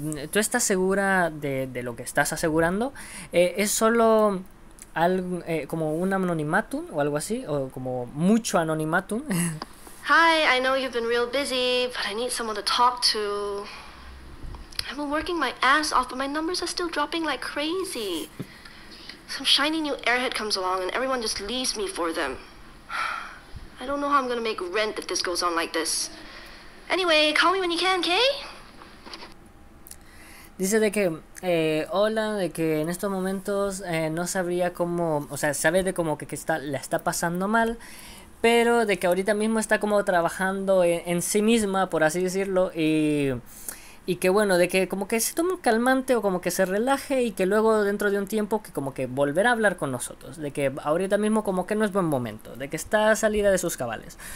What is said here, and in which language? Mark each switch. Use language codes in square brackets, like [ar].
[es] ¿Tú estás segura de lo que estás asegurando? ¿Es solo como un anonimatum o algo así, o como mucho anonimatum? [en] Hi, I know you've been real busy, but I need someone to talk to. I've been working my ass off, but my numbers are still dropping like crazy. Some shiny new airhead comes along, and everyone just leaves me for them. I don't know how I'm gonna make rent if this goes on like this. Anyway, call me when you can, okay? [es] Dice de que, hola, de que en estos momentos no sabría cómo, o sea, sabe de como que la está pasando mal, pero de que ahorita mismo está como trabajando en sí misma, por así decirlo, y que bueno, de que como que se tome un calmante o como que se relaje, y que luego dentro de un tiempo que como que volverá a hablar con nosotros, de que ahorita mismo como que no es buen momento, de que está salida de sus cabales.